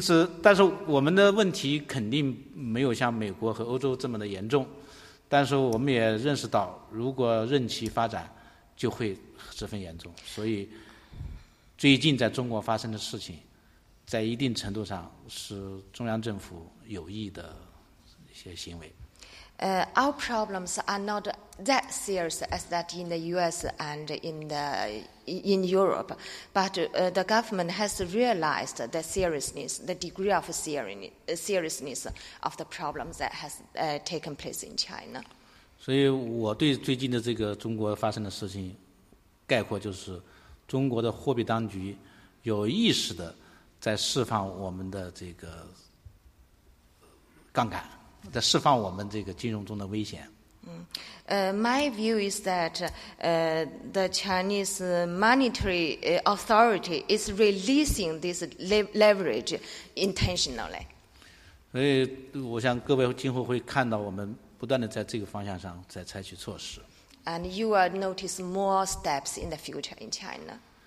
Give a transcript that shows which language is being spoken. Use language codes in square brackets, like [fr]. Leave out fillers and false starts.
[zh] 此，但是我们的问题肯定没有像美国和欧洲这么的严重，但是我们也认识到，如果任其发展，就会十分严重。所以，最近在中国发生的事情，在一定程度上是中央政府有意的一些行为。 [en] Our problems are not that serious as that in the U.S. and in Europe, but the government has realized the seriousness, the degree of seriousness of the problems that has taken place in China. [zh] 所以我对最近的这个中国发生的事情概括就是，中国的货币当局有意识的在释放我们的这个杠杆。在释放我们这个金融中的危险。 [en] My view is that the Chinese monetary authority is releasing this leverage intentionally. [zh] 所以，我想各位今后会看到我们不断的在这个方向上在采取措施。 [en] And you will notice more steps in the future in China.